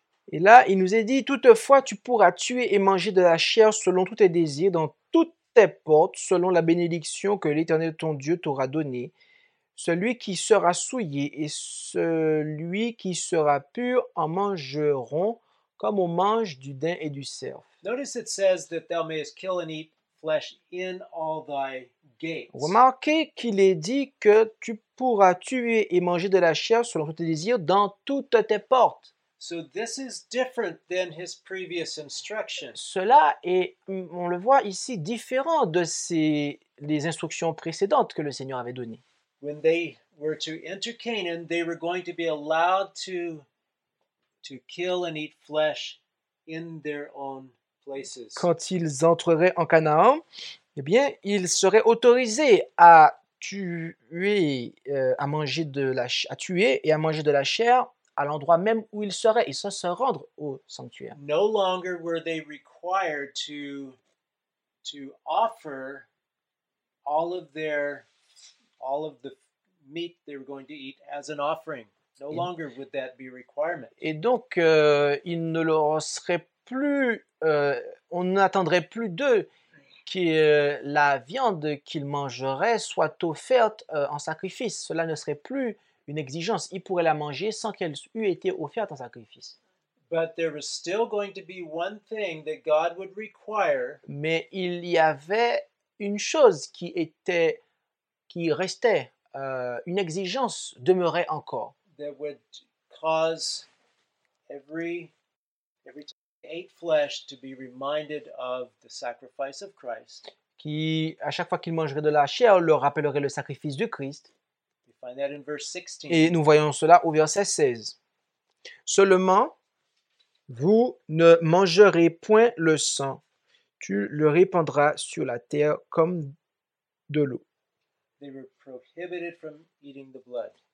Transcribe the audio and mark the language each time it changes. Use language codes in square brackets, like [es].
[fr] Et là, il nous est dit, toutefois, tu pourras tuer et manger de la chair selon tous tes désirs, dans toutes tes portes, selon la bénédiction que l'Éternel ton Dieu t'aura donnée. Celui qui sera souillé et celui qui sera pur en mangeront, comme on mange du daim et du cerf. [en] Notice it says that thou mayest kill and eat flesh in all thy gates. [fr] Remarquez qu'il est dit que tu pourras tuer et manger de la chair selon tes désirs dans toutes tes portes. [en] So this is different than his previous instructions. [fr] Cela est, on le voit ici, différent de les instructions précédentes que le Seigneur avait données. [en] When they were to enter Canaan, they were going to be allowed to kill and eat flesh in their own places. [fr] Quand ils entreraient en Canaan, eh bien, ils seraient autorisés à tuer et à manger de la chair à l'endroit même où ils seraient et sans se rendre au sanctuaire. [en] No longer were they required to offer all of the meat they were going to eat as an offering. No longer would that be a requirement. [fr] Et donc ils ne leur seraient plus on n'attendrait plus d'eux que la viande qu'ils mangeraient soit offerte en sacrifice. Cela ne serait plus une exigence. Ils pourraient la manger sans qu'elle eût été offerte en sacrifice. [en] But there was still going to be one thing that God would require. [fr] Mais il y avait une chose qui restait, une exigence demeurait encore. [en] That would cause every time. Ate flesh to be reminded of the sacrifice of Christ. [fr] Qui, à chaque fois qu'il mangerait de la chair, le rappellerait le sacrifice du Christ. [en] We find that in verse 16. [fr] Et nous voyons cela au verset 16. Seulement, vous ne mangerez point le sang. Tu le répandras sur la terre comme de l'eau. [en] They were prohibited from eating the blood.